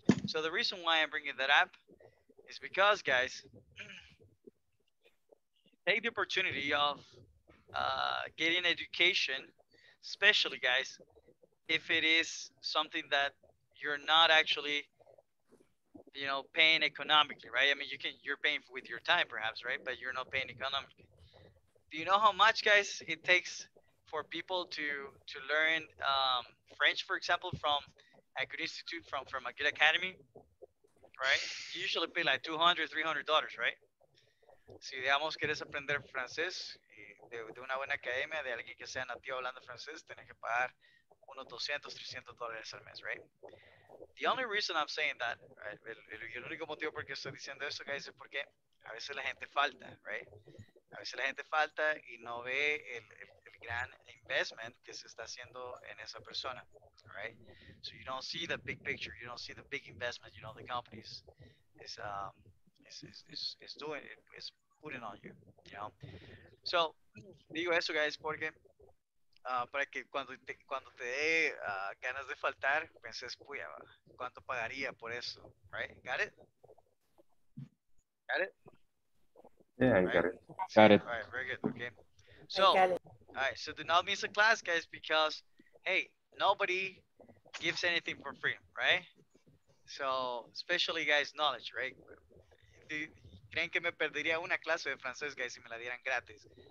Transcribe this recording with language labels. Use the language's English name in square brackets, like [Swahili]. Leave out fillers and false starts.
[English] So the reason why I'm bringing that up is because, guys, take the opportunity of getting education, especially, guys, if it is something that you're not actually, you know, paying economically, right? I mean, you're paying with your time, perhaps, right? But you're not paying economically. Do you know how much, guys, it takes for people to learn French, for example, from a good institute, from a good academy, right? You usually pay like $200, $300, right? [Spanish] Si digamos quieres aprender francés de una buena academia, de alguien que sea nativo hablando francés, tienes que pagar unos $200, $300 al mes, right? [English] The only reason I'm saying that, right? [Spanish] El único motivo por qué estoy diciendo eso, guys, es porque a veces la gente falta, right? A veces la gente falta y no ve el gran investment que se está haciendo en esa persona, all right? [English] So you don't see the big picture, you don't see the big investment, you know, the company is doing it, is putting on you, you know? [Spanish] So, digo eso, guys, porque para que cuando te dé ganas de faltar, penses, puya, ¿cuánto pagaría por eso? [English] Right? Got it? Got it? Yeah, right. Got it. All right, very good. Okay. So do not miss a class, guys, because, hey, nobody gives anything for free, right? So, especially, guys, knowledge, right? [Spanish] ¿Creen que me perdería una clase de francés, guys, si me la dieran gratis?